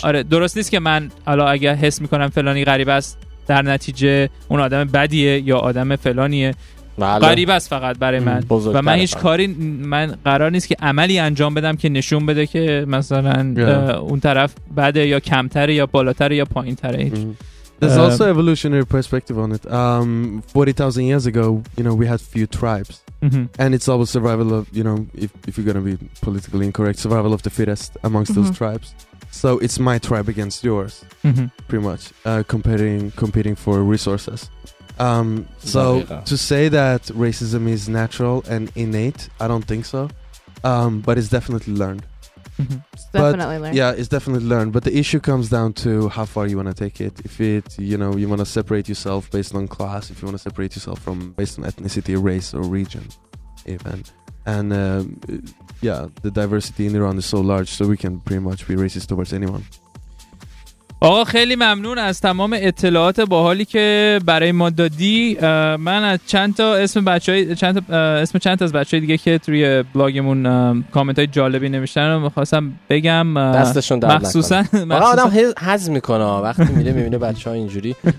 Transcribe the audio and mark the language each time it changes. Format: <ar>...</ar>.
<fa>که آره درست نیست که من حالا اگه حس میکنم فلانی غریب است در نتیجه اون آدم بدیه یا آدم فلانیه، غریب است فقط برای من و من هیچ کاری، من قرار نیست که عملی انجام بدم که نشون بده که مثلا اون طرف بده یا کمتره یا بالاتره یا پایینتره.</fa> <en>There's also evolutionary perspective on it. 40,000 years ago, you know, we had few tribes. And it's always survival of, you know, if you're going to be politically incorrect, survival of the fittest amongst those tribes. So it's my tribe against yours. Pretty much competing for resources. So to say that racism is natural and innate, I don't think so. But it's definitely learned. Yeah, it's definitely learned. But the issue comes down to how far you want to take it. If it, you know, you want to separate yourself based on class, if you want to separate yourself from based on ethnicity, race, or region, even. And the diversity in Iran is so large, so we can pretty much be racist towards anyone.</en> <fa>آقا خیلی ممنون از تمام اطلاعات باحالی که برای ما دادی. من از چند تا اسم بچهای چند تا از بچهای دیگه که توی بلاگمون کامنت های جالبی نوشتن رو می‌خواستم بگم. دستشون درد نکنه. آقا آدم هضم می‌کنه وقتی میره می‌بینه بچه‌ها اینجوری.</fa>